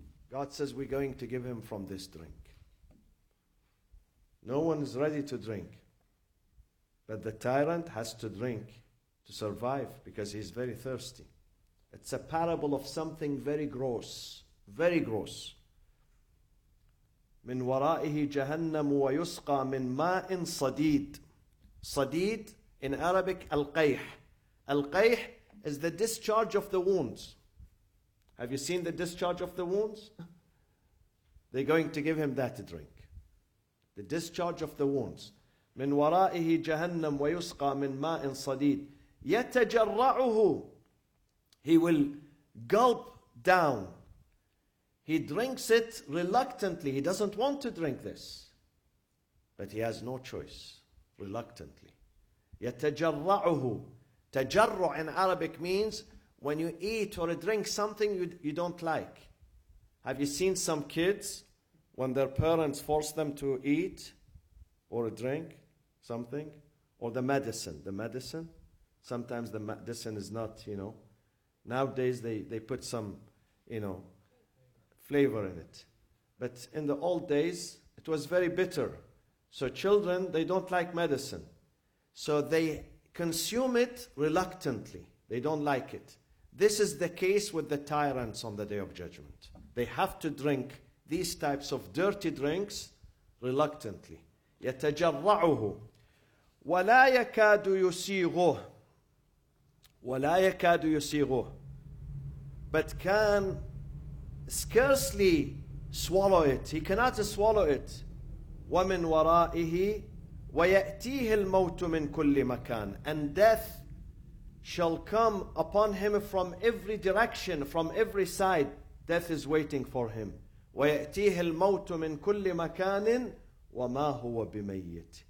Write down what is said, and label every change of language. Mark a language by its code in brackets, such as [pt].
[en] God says we're going to give him from this drink. No one is ready to drink. But the tyrant has to drink to survive because he's very thirsty. It's a parable of something very gross. Very gross. [ar] من ورائه جهنم ويسقى من ماء صديد. [en] صديد in Arabic القيح. Al-qayh is the discharge of the wounds. Have you seen the discharge of the wounds? They're going to give him that drink. The discharge of the wounds. [ar] من ورائه جهنم ويسقى من ماء صديد. [en] يتجرعه. He will gulp down. He drinks it reluctantly. He doesn't want to drink this. But he has no choice. Reluctantly. يتجرعه. تجرع in Arabic means when you eat or drink something you don't like. Have you seen some kids when their parents force them to eat or drink something? Or the medicine. The medicine. Sometimes the medicine is not, you know. Nowadays they put some, you know, flavor in it. But in the old days, it was very bitter. So children, they don't like medicine. So they consume it reluctantly. They don't like it. This is the case with the tyrants on the Day of Judgment. They have to drink these types of dirty drinks reluctantly. [ar] يتجرعه ولا يكاد يسيغه ولا يكاد يسيغه. [en] But can scarcely swallow it. He cannot swallow it. [ar] ومن ورائه ويأتيه الموت من كل مكان. [en] And death shall come upon him from every direction, from every side. Death is waiting for him. [ar] ويأتيه الموت من كل مكان وما هو بميت.